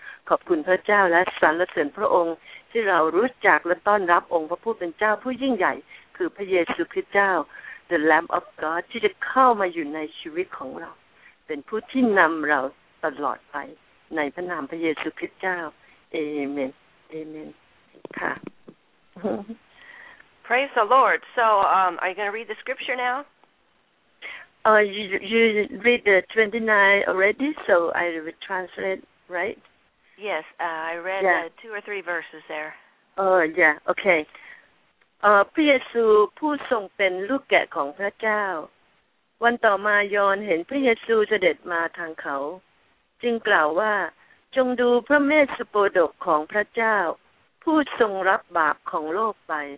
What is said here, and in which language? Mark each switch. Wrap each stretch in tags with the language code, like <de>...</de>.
<th>ขอบคุณพระเจ้าและสรรเสริญพระองค์ที่เรารู้จักและต้อนรับองค์พระผู้เป็นเจ้าผู้ยิ่งใหญ่คือพระเยซูคริสต์เจ้า</th> <en>The Lamb of God</en> <th>ที่จะเข้ามาอยู่ในชีวิตของเราเป็นผู้ที่นำเราตลอดไปในพระนามพระเยซูคริสต์เจ้าเอเมนAmen.</th> <en>Praise the Lord. So, are you going to read the scripture now? You read the 29 already, so I will translate, right? Yes, I read two or three verses there. Okay.</en> <th>พระเยซูผู้ทรงเป็นลูกแกะของพระเจ้าวันต่อมายอห์นเห็นพระเยซูเสด็จมาทางเขาจึงกล่าวว่าจงดูพระเมษโปดกของพระเจ้าผู้ทรงรับบาปของโลกไป</th>